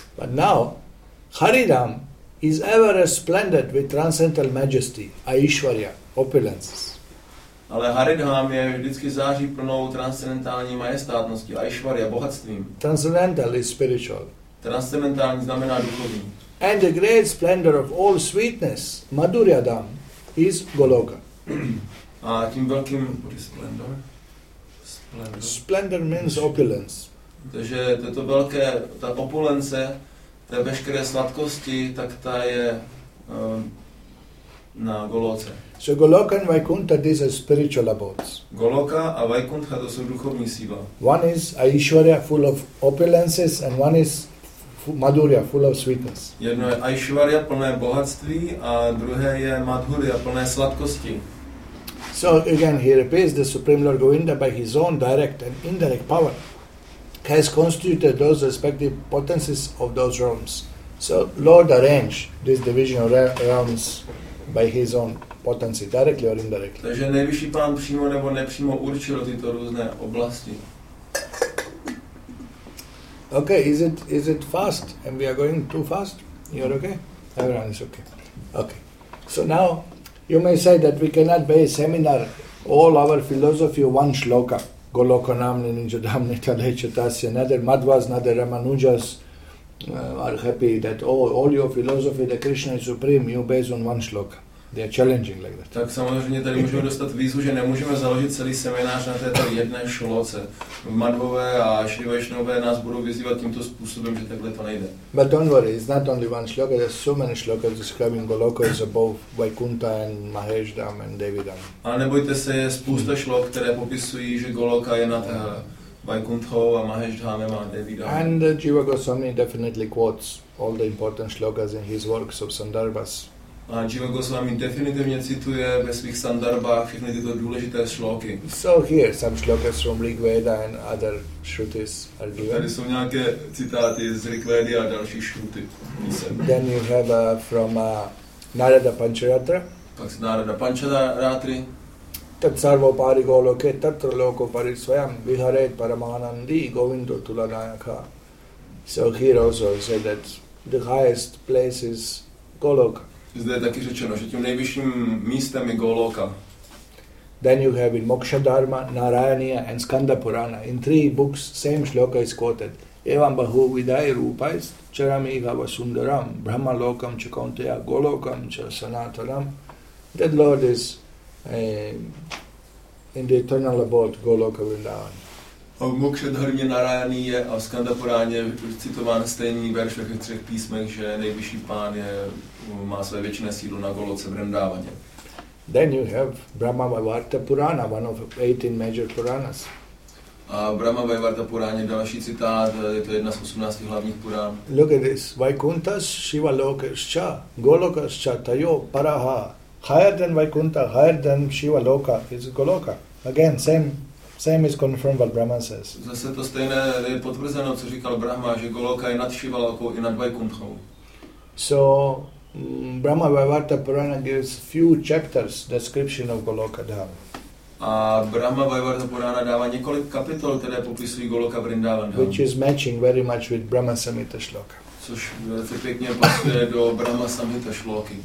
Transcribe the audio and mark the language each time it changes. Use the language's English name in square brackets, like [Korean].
[English] But now, Haridham is ever resplendent with transcendental majesty, Aishwarya, opulence. [Czech] Ale Haridham je vždycky září plnou transcendentální majestátnosti, Aishwarya, bohatstvím. [English] Transcendental is spiritual. [Czech] Transcendentální znamená duchovní. [English] And the great splendor of all sweetness, Madhuryadam, is Goloka. [Czech] A tím velkým, [English] what is splendor? Splendor? Splendor means opulence. [Czech] Takže to je to velké, ta opulence, té veškeré sladkosti, tak ta je na Goloce. [English] So Goloka and Vaikuntha, these are spiritual abodes. [Czech] Goloka a Vaikuntha, to jsou duchovní síla. [English] One is Aishwarya, full of opulences, and one is Madhurya, full of sweetness. [Czech] Jedno je Aishwarya, plné bohatství, a druhé je Madhurya, plné sladkosti. [English] So again, he repeats, the Supreme Lord Govinda, by his own direct and indirect power, has constituted those respective potencies of those realms. So Lord arranged this division of realms by his own potency, directly or indirectly. [Czech] Takže nejvyšší pán přímo nebo nepřímo určil tyto různé oblasti. [English] Okay, is it fast? And we are going too fast? You're okay? Everyone is okay. Okay. So now, you may say that we cannot base seminar all our philosophy on one shloka. [Sanskrit] Goloka namne ninjadamne taleche tasya. [English] Neither Madhvas, neither Ramanujas are happy that all your philosophy, the Krishna is supreme, you base on one shloka. They are challenging like that. [Czech] Tak samozřejmě tady můžeme dostat výzvu, že nemůžeme založit celý seminář na této jedné šloce. Madhvové a Shri Vaishnavové nás budou vyzývat tímto způsobem, že takhle to nejde. [English] But don't worry, it's not only one shloka, there's so many shlokas describing Goloka is above Vaikuntha and Maheshdham and Devidham. [Czech] A nebojte se, je spousta šlok, které popisují, že Goloka je nad Vaikunthou a Maheshdhamem a Devidham. [English] And Jiva Goswami definitely quotes all the important shlokas in his works of Sandarbhas. [Czech] A Jiva Goswami definitivně cituje ve svých sandarbách všechny tyto důležité šloky. [English] So here some shlokas from Rig Veda and other shrutis are given. [Czech] Tady jsou nějaké citáty z Rig Vedy a další shruti. [English] Then you have from Narada Pancharatra. [Czech] Pak se Narada Pancharatri. [Sanskrit] Tat sarvo pari goloke tatra loko pari svayam viharet paramanandi govindo tulanayaka. [English] So here also said that the highest place is Goloka. [Czech] Zde je taky řečeno, že tím nejvyšším místem je Goloka. [English] Then you have in Moksha Dharma, Narayaniya and Skanda Purana. In three books, same shloka is quoted. [Sanskrit] Evam bahu vidai rupais charami gava sundaram brahma lokam cha kaunteya golokam cha sanatanam. [English] That Lord is in the eternal abode Goloka Vrindavan. [Czech] A v Mokša Dharmě Narayaniya a v Skanda Puráně citován stejný verš ve třech písmech, že nejvyšší pán je, má své věčné sídlo na Goloce Vrindavaně. [English] Then you have Brahma Vaivarta Purana, one of 18 major Puranas. [Czech] A Brahma Vaivarta Puráně, další citát, je to jedna z 18 hlavních Purán. [English] Look at this, [Sanskrit] Vaikuntas, Shiva Lokascha, Golokascha, Tayo, Paraha, [English] higher than Vaikuntha, higher than Shiva Loka is Goloka. Again, same is confirmed what Brahma says. [Czech] Zase to stejné je potvrzeno, co říkal Brahma, že Goloka je nad Shiva Lokou i nad Vaikunthou. [English] So Brahma Vaivarta Purana gives few chapters description of Goloka Dham. [Czech] A Brahma Vaivarta Purana dává několik kapitol, které popisují Goloka Vrindavan. [English] Which is matching very much with Brahma Samhita Shloka. [Czech] Což velice pěkně pasuje do Brahma Samhita Shloky.